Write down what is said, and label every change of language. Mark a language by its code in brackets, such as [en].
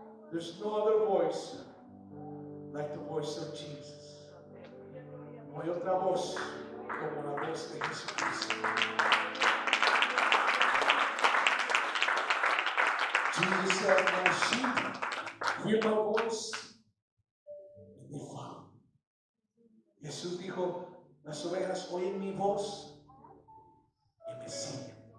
[en] There's no other voice like the voice of Jesus. [es] No hay otra voz como la voz de Jesucristo. [en] Jesus said, my sheep hear my voice and they follow. [es] Jesús dijo, las ovejas oyen mi voz y me siguen.